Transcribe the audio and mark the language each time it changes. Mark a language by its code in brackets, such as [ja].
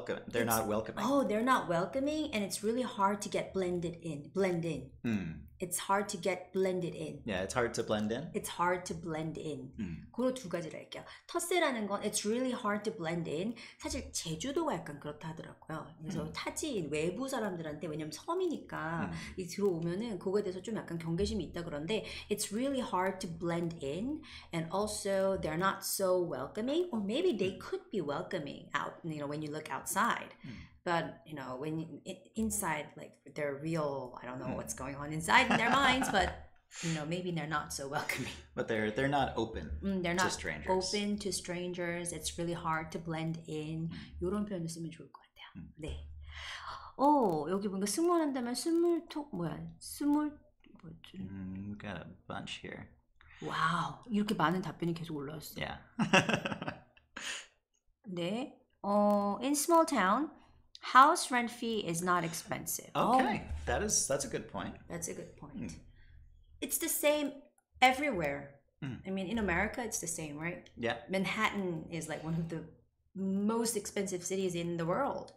[en] They're not welcoming, and it's really hard to get blended in. Mm. It's hard to get blended in. Yeah, it's hard to blend in. It's hard to blend in. [ko] 그거 두 가지를 할게요. 텃세라는 건 [en] it's really hard to blend in. [ko] 사실 제주도가 약간 그렇다 하더라고요. 그래서 타지인 외부 사람들한테 왜냐면 섬이니까 이 들어오면은 그거에 대해서 좀 약간 경계심이 있다 그런데 [en] it's really hard to blend in and also they're not so welcoming or maybe they could be welcoming out you know when you look outside. But you know when inside like they're real I don't know what's going on inside in their minds but you know maybe they're not so welcoming but they're not open they're not to strangers. Open to strangers it's really hard to blend in [ko] 이런 표현을 쓰면 좋을 것 같아요. 네. 오, 여기 뭔가 승무원 한다면 스물톡 뭐야? 스물 뭐지? [en] We got a bunch here. [ko] 와우. 이렇게 많은 답변이 계속 올라왔어. [en] Yeah. [ko] 네. [en] In small town House rent fee is not expensive. Okay, that's a good point. That's a good point. It's the same everywhere, I mean, in America, it's the same, right? Yeah. Manhattan is like one of the most expensive cities in the world.